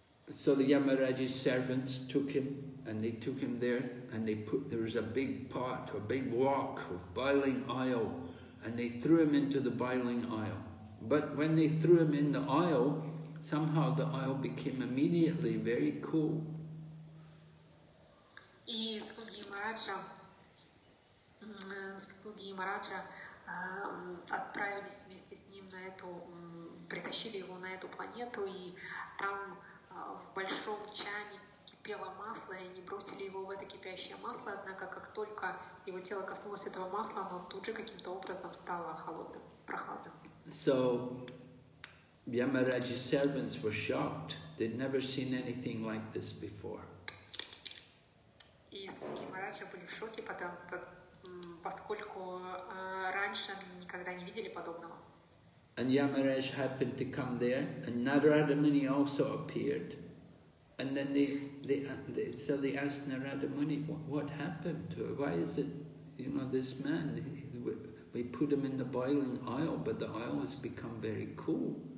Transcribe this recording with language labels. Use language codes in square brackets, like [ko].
[en] So the Yamaraj's servants took him, and they took him there, and they put, there was a big pot, a big wok of boiling oil, and they threw him into the boiling oil. But when they threw him in the oil, somehow the oil became immediately very cool. [ru] И слуги Ямараджа отправились вместе с ним на эту, притащили его на эту планету, и там в большом чане кипело масло, и они бросили его в это кипящее масло, однако как только его тело коснулось этого масла, оно тут же каким-то образом стало холодным, прохладным. [en] So, Yamaraj's servants were shocked. They'd never seen anything like this before. [ru] И слуги Ямараджа были в шоке, поскольку раньше они никогда не видели подобного. [en] And Yamaraj happened to come there, and Narada Muni also appeared. And then they asked Narada Muni, what happened to her? Why is it, you know, this man, we put him in the boiling oil, but the oil has become very cool.